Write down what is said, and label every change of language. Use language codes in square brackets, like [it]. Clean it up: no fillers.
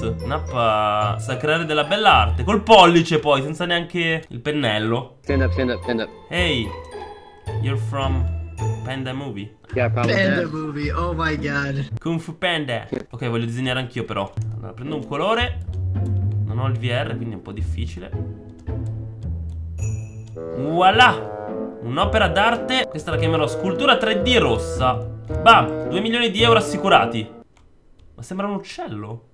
[it] Nappa sa creare della bella arte. Col pollice poi, senza neanche il pennello. [en] Stand up, stand up, stand up. Hey, you're from Panda Movie? Yeah, probably. Panda Movie, oh my god. Kung Fu Panda. [it] Ok, voglio disegnare anch'io però. Allora, prendo un colore. Non ho il VR, quindi è un po' difficile. Voilà! Un'opera d'arte, questa la chiamerò scultura 3D rossa. Bam, 2 milioni di euro assicurati. Ma sembra un uccello.